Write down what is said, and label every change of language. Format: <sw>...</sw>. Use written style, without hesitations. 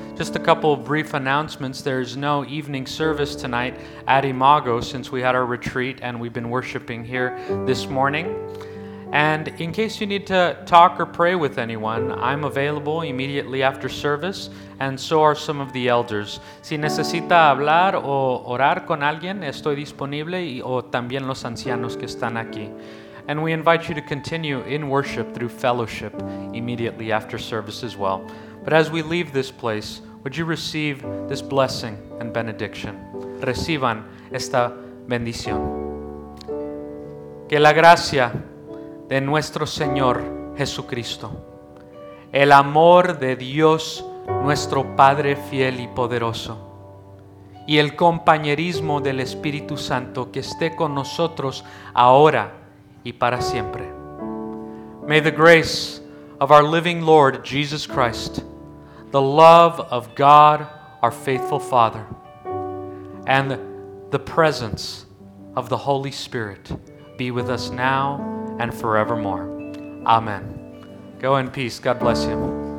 <en>Just a couple of brief announcements. There's no evening service tonight at Imago since we had our retreat and we've been worshiping here this morning. And in case you need to talk or pray with anyone, I'm available immediately after service, and so are some of the elders.</en> <es>Si necesita hablar o orar con alguien, estoy disponible, o también los ancianos que están aquí.</es> <en>And we invite you to continue in worship through fellowship immediately after service as well. But as we leave this place, would you receive this blessing and benediction?</en> <es>Reciban esta bendición. Que la gracia de nuestro Señor Jesucristo, el amor de Dios, nuestro Padre fiel y poderoso, y el compañerismo del Espíritu Santo que esté con nosotros ahora y para siempre.</es> <en>May the grace of our living Lord Jesus Christ, the love of God, our faithful Father, and the presence of the Holy Spirit be with us now and forevermore. Amen. Go in peace. God bless you.</en>